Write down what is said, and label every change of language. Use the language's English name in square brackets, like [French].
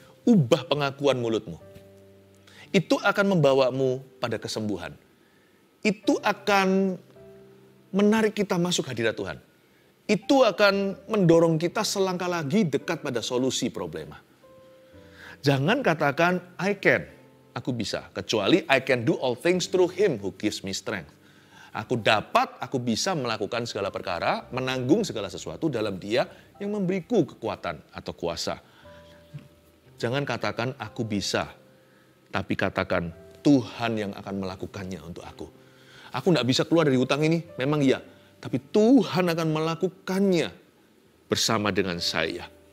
[Indonesian] Ubah pengakuan mulutmu. Itu akan membawamu pada kesembuhan. Itu akan menarik kita masuk hadirat Tuhan. Itu akan mendorong kita selangkah lagi dekat pada solusi problema. Jangan katakan, [English] I can. [Indonesian] Aku bisa, kecuali [English] I can do all things through him who gives me strength. [Indonesian] Aku dapat, aku bisa melakukan segala perkara, menanggung segala sesuatu dalam dia yang memberiku kekuatan atau kuasa. Jangan katakan aku bisa, tapi katakan Tuhan yang akan melakukannya untuk aku. Aku gak bisa keluar dari hutang ini, memang iya. Tapi Tuhan akan melakukannya bersama dengan saya.